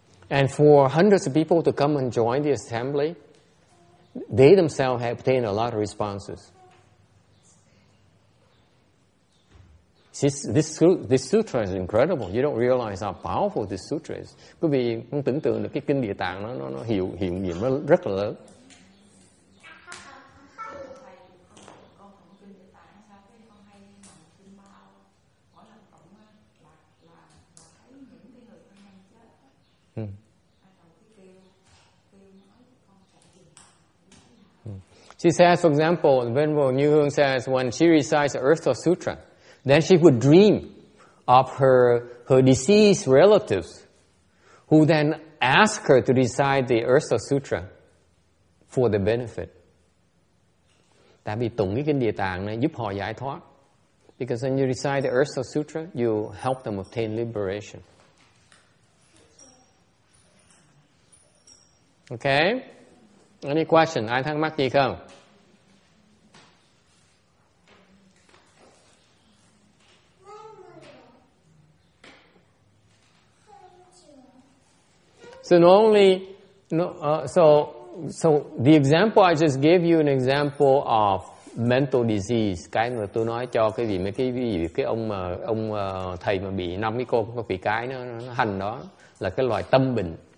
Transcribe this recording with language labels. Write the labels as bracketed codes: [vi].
[en] And for hundreds of people to come and join the assembly, they themselves have obtained a lot of responses. This sutra is incredible. You don't realize how powerful this sutra is. [vi] Quý vị không tưởng tượng được cái kinh Địa Tạng nó hiệu hiệu nghiệm rất là lớn. [en] She says, for example, Venerable Như Hương says, when she recites the Earth Store Sutra, then she would dream of her deceased relatives, who then ask her to recite the Earth Store Sutra for the benefit. [vi] Tại vì tụng cái kinh Địa Tạng này giúp họ giải thoát. [en] Because when you recite the Earth Store Sutra, you help them obtain liberation. Okay? Any question? [vi] Ai thắc mắc gì không? [en] So normally, so the example I just gave you an example of mental disease. [vi] Cái mà tôi nói cho cái gì mấy cái ông thầy mà bị năm cái cô có bị cái nó hành đó là cái loại tâm bệnh.